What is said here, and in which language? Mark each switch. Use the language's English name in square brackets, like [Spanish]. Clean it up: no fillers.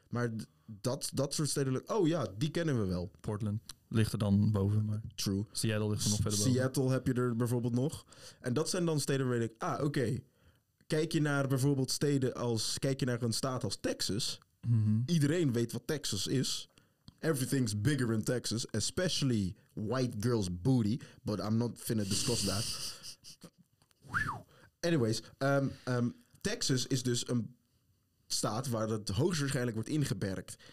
[Dutch] Maar dat soort steden... Oh ja, die kennen we wel. Portland ligt er dan boven, maar... [English] True. [Dutch] Seattle ligt er nog verder boven. Seattle heb je er bijvoorbeeld nog. En dat zijn dan steden waar ik... Ah, oké. Kijk je naar bijvoorbeeld steden als... Kijk je naar een staat als Texas. Mm-hmm. Iedereen weet wat Texas is. [English] Everything's bigger in Texas, especially white girls' booty, but I'm not finna discuss that. [Dutch] Anyways, Texas is dus een staat waar het hoogstwaarschijnlijk wordt ingeperkt.